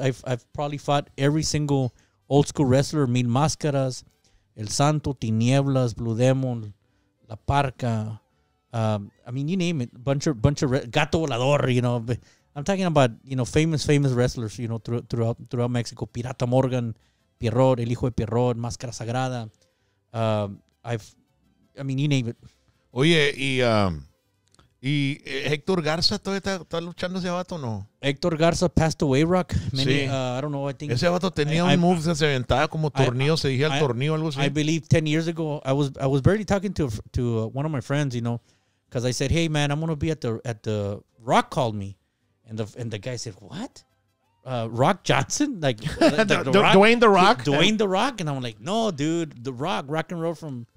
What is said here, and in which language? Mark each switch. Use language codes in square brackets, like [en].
[en] I've probably fought every single old school wrestler, Mil Máscaras, El Santo, Tinieblas, Blue Demon, La Parca. I mean, you name it, bunch of Gato Volador, you know, but I'm talking about, you know, famous wrestlers, you know, throughout Mexico, Pirata Morgan, Pierrot, El Hijo de Pierrot, Máscara Sagrada. You name it. [es] Oye, y Héctor Garza todavía está luchando ese vato, ¿no? [en] Héctor Garza passed away, Rock. Many, sí. I don't know. I think [es] ese vato tenía un move que se aventaba como tornillo, se dije al tornillo, algo así. [en] I believe 10 years ago, I was barely talking to one of my friends, you know, because I said, hey, man, I'm going to be at the Rock called me. And the guy said, what? Rock Johnson? Like the Dwayne The Rock? Dwayne The Rock? And I'm like, no, dude, The Rock, rock and roll from...